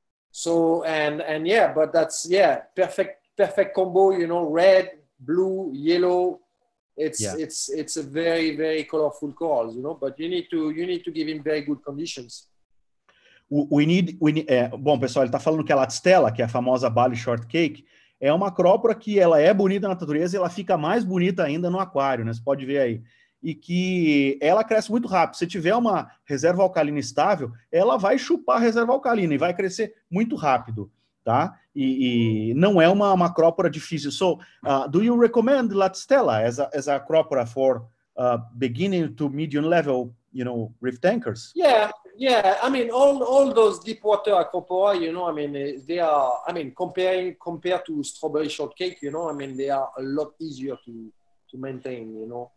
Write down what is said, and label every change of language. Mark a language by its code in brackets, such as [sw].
[en] So, and yeah, but that's, yeah, perfect combo, you know, red, blue, yellow. It's a very, very colorful coral, you know, but you need to give him very good conditions. [pt] Bom, pessoal, ele está falando que a Latistella, que é a famosa Bali Shortcake, é uma acrópora que ela é bonita na natureza e ela fica mais bonita ainda no aquário, né? Você pode ver aí. E que ela cresce muito rápido. Se tiver uma reserva alcalina estável, ela vai chupar a reserva alcalina e vai crescer muito rápido, tá? E não é uma acrópora difícil. [en] So, do you recommend Latistella as a acrópora for beginning to medium level, you know, reef tankers? Yeah, I mean, all those deep water aquapora, you know, I mean, they are, I mean, compared to strawberry shortcake, you know, I mean, they are a lot easier to maintain, you know.